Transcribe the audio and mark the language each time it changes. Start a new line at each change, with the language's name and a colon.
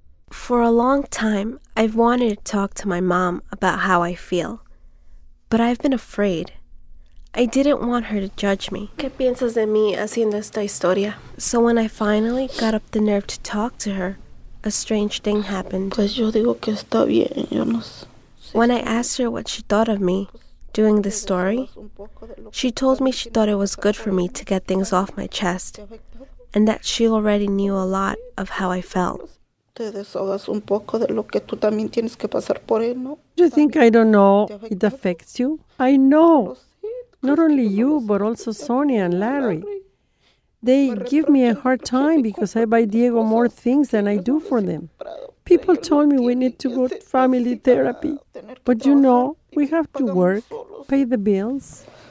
English: For a long time, I've wanted to talk to my mom about how I feel, but I've been afraid. I didn't want her to judge me.
Spanish: ¿Qué piensas de mí haciendo esta historia?
English: So when I finally got up the nerve to talk to her, a strange thing happened.
Spanish: Pues yo digo que está bien, yo no sé.
English: When I asked her what she thought of me doing the story, she told me she thought it was good for me to get things off my chest and that she already knew a lot of how I felt.
Spanish: Te desahogas un poco de lo que tú también tienes que pasar por él, ¿no?
English: You think I don't know it affects you? I know. Not only you, but also Sonia and Larry. They give me a hard time because I buy Diego more things than I do for them. People told me we need to go to family therapy. But you know, we have to work, pay the bills.